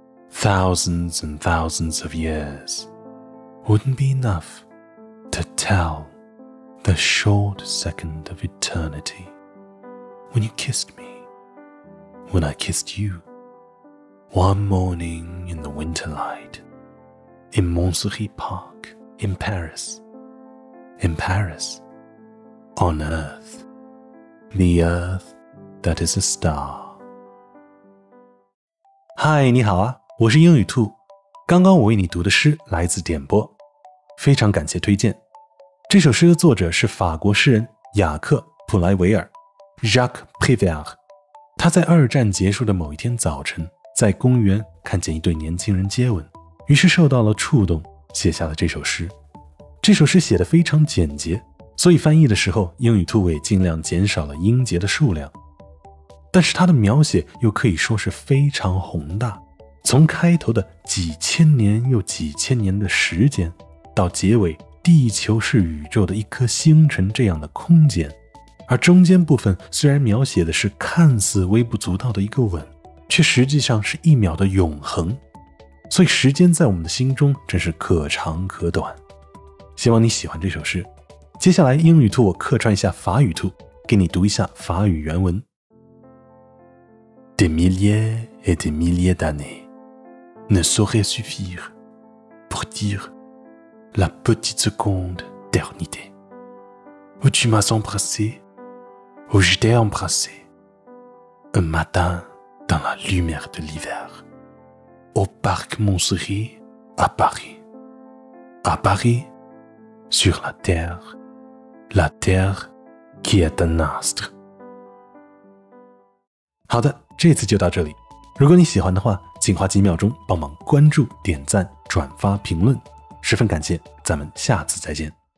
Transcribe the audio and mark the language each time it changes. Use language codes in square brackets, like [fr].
[en] thousands and thousands of years wouldn't be enough to tell the short second of eternity when you kissed me, when I kissed you. One morning in the winter light, in Montsouris Park, in Paris, in Paris, on Earth, the Earth that is a star. Hi, [zh] 你好啊，我是英语兔。刚刚我为你读的诗来自点播，非常感谢推荐。这首诗的作者是法国诗人雅克·普莱维尔 Jacques Prévert。他在二战结束的某一天早晨，在公园看见一对年轻人接吻，于是受到了触动，写下了这首诗。这首诗写得非常简洁，所以翻译的时候，英语兔尾尽量减少了音节的数量。但是它的描写又可以说是非常宏大，从开头的几千年又几千年的时间，到结尾地球是宇宙的一颗星辰这样的空间。而中间部分虽然描写的是看似微不足道的一个吻，却实际上是一秒的永恒，所以时间在我们的心中真是可长可短。希望你喜欢这首诗。接下来英语兔我客串一下法语兔，给你读一下法语原文。 [fr] Des milliers et des milliers d'années ne sauraient suffire pour dire la petite seconde d'éternité où tu m'as embrassé où je t'ai embrassé un matinDans la lumière de l'hiver, au parc Montsouris, à Paris. À Paris, sur la terre qui est un astre. [zh] 好的，这次就到这里。如果你喜欢的话，请花几秒钟帮忙关注、点赞、转发、评论，十分感谢。咱们下次再见。